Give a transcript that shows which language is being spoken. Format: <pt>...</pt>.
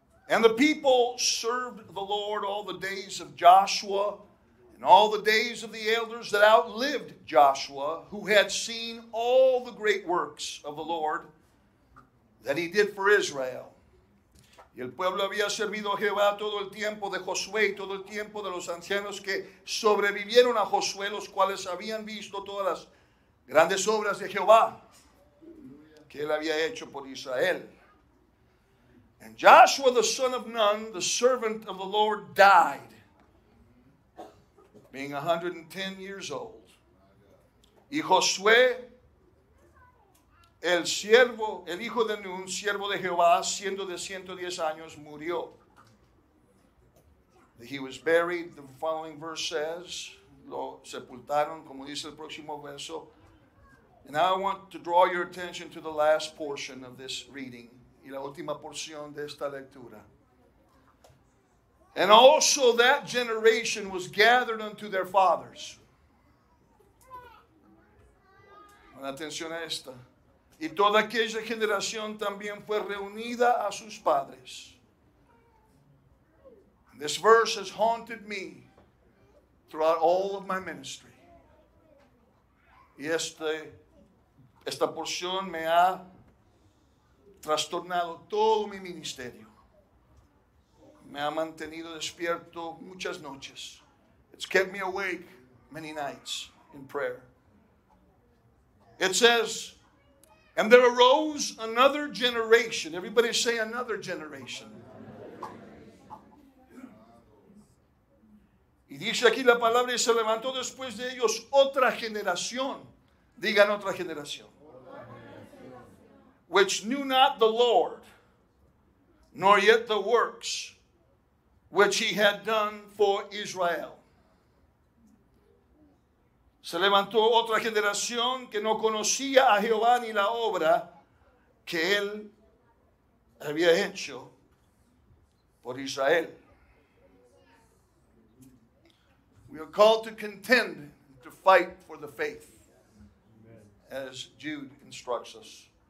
<en>And the people served the Lord all the days of Joshua, and all the days of the elders that outlived Joshua, who had seen all the great works of the Lord that he did for Israel.</en> <es>Y el pueblo había servido a Jehová todo el tiempo de Josué y todo el tiempo de los ancianos que sobrevivieron a Josué, los cuales habían visto todas las grandes obras de Jehová que él había hecho por Israel.</es> <en>And Joshua the son of Nun, the servant of the Lord, died, being 110 years old.</en> <es>Y Josué, el siervo, el hijo de Nun, siervo de Jehová, siendo de 110 años, murió.</es> <en>He was buried, the following verse says,</en> <es>lo sepultaron, como dice el próximo verso.</es> <en>And now I want to draw your attention to the last portion of this reading,</en> <es>y la última porción de esta lectura.</es> <en>And also that generation was gathered unto their fathers.</en> <es>Con atención a esta. Y toda aquella generación también fue reunida a sus padres.</es> <en>This verse has haunted me throughout all of my ministry.</en> <es>Y esta porción me ha trastornado todo mi ministerio. Me ha mantenido despierto muchas noches.</es> <en>It's kept me awake many nights in prayer. It says, and there arose another generation. Everybody say another generation.</en> <es>Y dice aquí la palabra, y se levantó después de ellos otra generación. Digan otra generación.</es> <en>Which knew not the Lord, nor yet the works which he had done for Israel.</en> <es>Se levantó otra generación que no conocía a Jehová ni la obra que él había hecho por Israel.</es> <en>We are called to contend, to fight for the faith, as Jude instructs us.</en>